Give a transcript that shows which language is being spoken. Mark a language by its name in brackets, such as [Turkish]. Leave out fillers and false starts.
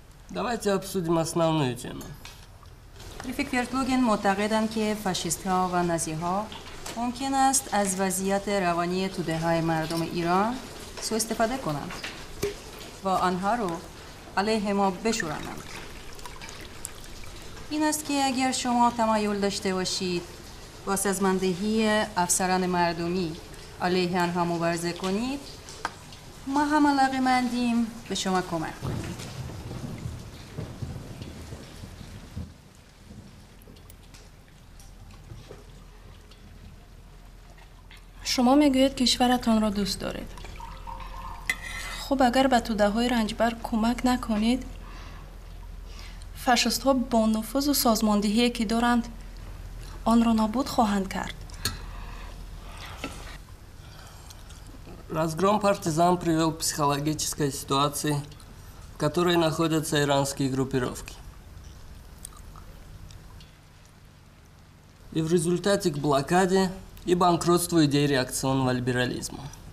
[Russian] Давайте обсудим основную тему. [Persian] Рефик Вертлугин معتقدند که فاشیست‌ها و نازی‌ها ممکن است از وضعیت روانی توده‌های مردم ایران سوء استفاده کنند و آنها رو علیه ما بشورانند. این است که اگر شما تمایل داشته باشید با سازماندهی افسران مردمی علیه آنها مبارزه کنید، ما هم علاقه‌مندیم به شما کمک کنیم. شما میگوید کشورتان را دوست دارید. خب اگر به توده های رنجبر کمک نکنید، فاشیست ها با نفوذ و سازماندهی که دارند آن را نابود خواهند کرد. [Russian] Разгром партизан привел к психологической ситуации, в которой находятся иранские группировки. И в результате к блокаде и банкротству идей реакционного либерализма.